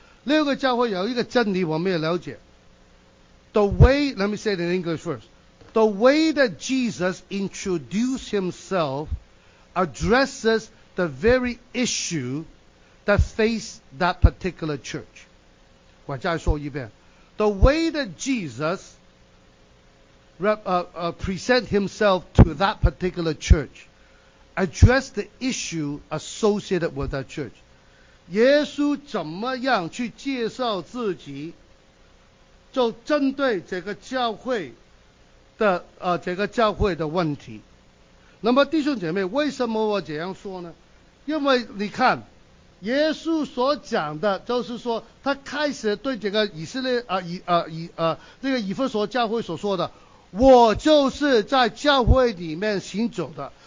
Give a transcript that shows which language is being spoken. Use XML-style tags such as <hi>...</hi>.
<zh>六个教会有一个真理我们也了解。</zh> <en>The way, let me say it in English first. The way that Jesus introduced himself addresses the very issue that faced that particular church.</en> <zh>我再说一遍。</zh> <en>The way that Jesus present himself to that particular church addressed the issue associated with that church.</en> <zh>耶稣怎么样去介绍自己，就针对这个教会的这个教会的问题。那么弟兄姐妹，为什么我这样说呢？因为你看，耶稣所讲的就是说，他开始对这个以色列这个以弗所教会所说的，我就是在教会里面行走的。</zh>